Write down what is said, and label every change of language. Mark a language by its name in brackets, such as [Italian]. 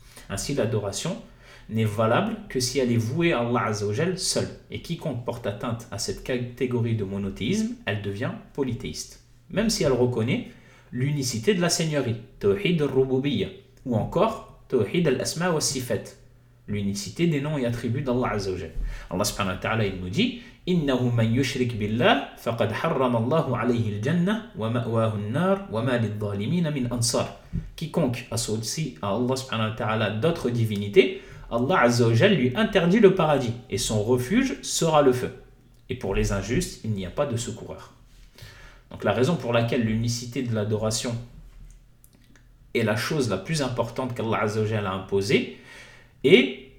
[French] Ainsi, l'adoration n'est valable que si elle est vouée à Allah azza wa jal seul. Et quiconque porte atteinte à cette catégorie de monothéisme, elle devient polythéiste. Même si elle reconnaît l'unicité de la seigneurie, tawhid al-rububiyya, ou encore tawhid al-asma wa sifat, l'unicité des noms et attributs d'Allah azza wa jal. Allah subhanahu wa ta'ala, il nous dit [Arabic] إنه من يشرك بالله فقد حرم الله عليه الجنة ومأواه النار وما للظالمين من أنصار. [French] Quiconque associe à Allah subhanahu wa ta'ala d'autres divinités, Allah azza wa jal lui interdit le paradis et son refuge sera le feu. Et pour les injustes, il n'y a pas de secoureur. Donc la raison pour laquelle l'unicité de l'adoration est la chose la plus importante qu'Allah azza wa jal a imposée est